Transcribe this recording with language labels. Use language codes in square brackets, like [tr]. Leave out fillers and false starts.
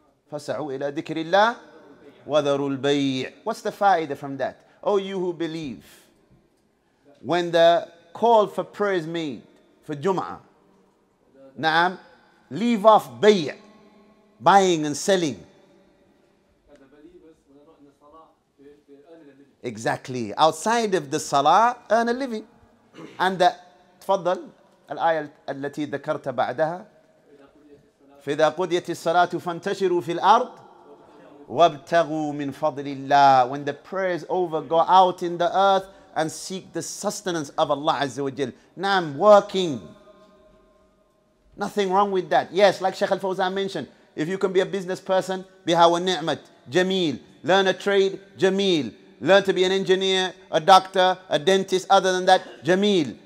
[ar] فسعوا إلى ذكر الله وذروا البيع [en] what's the faida from that oh you who believe when the call for prayer is made for Jum'ah نعم leave off بيع Buying and selling. Exactly. Outside of the salah, earn a living. And the [ar] تفضل الآية التي ذكرت بعدها. فإذا قضيت الصلاة فانتشروا في الأرض وابتغوا من فضل الله. [en] When the prayer is over, go out in the earth and seek the sustenance of Allah Azza wa Jal. نعم, working. Nothing wrong with that. Yes, like Shaykh Al-Fawzan mentioned. If you can be a business person, [ar] biha wa ni'mat, [en] jameel. Learn a trade, jameel. Learn to be an engineer, a doctor, a dentist, other than that, jameel.